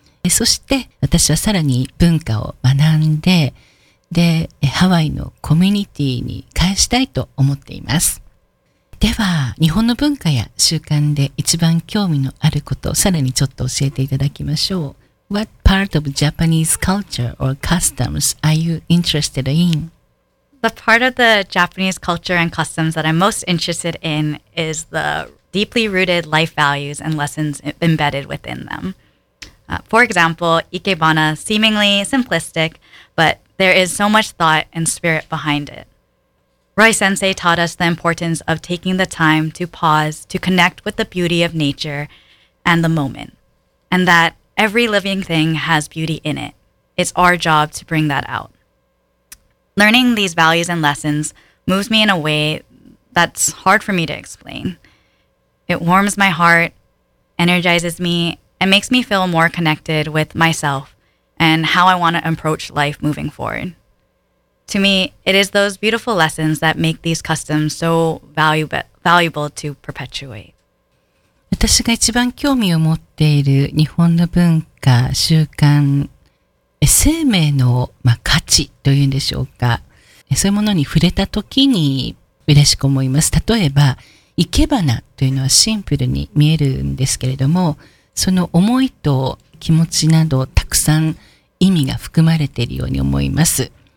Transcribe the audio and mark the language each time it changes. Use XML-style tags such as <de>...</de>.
<ja>そして私はさらに文化を学んで、で、ハワイのコミュニティに返したいと思っています。では、日本の文化や習慣で一番興味のあることをさらにちょっと教えていただきましょう。</ja> <en>What part of Japanese culture or customs are you interested in? The part of the Japanese culture and customs that I'm most interested in is the deeply rooted life values and lessons embedded within them. For example, ikebana, seemingly simplistic, but there is so much thought and spirit behind it. Roy Sensei taught us the importance of taking the time to pause, to connect with the beauty of nature and the moment, and that every living thing has beauty in it. It's our job to bring that out. Learning these values and lessons moves me in a way that's hard for me to explain. It warms my heart, energizes me, and makes me feel more connected with myself and how I want to approach life moving forward. To me, it is those beautiful lessons that make these customs so valuable to perpetuate.</en> <ja>私が一番興味を持っている日本の文化、習慣、生命の、価値というんでしょうか。そういうものに触れた時に嬉しく思います。例えば、生け花というのはシンプルに見えるんですけれども、その思いと気持ちなどたくさん意味が含まれているように思います。</ja>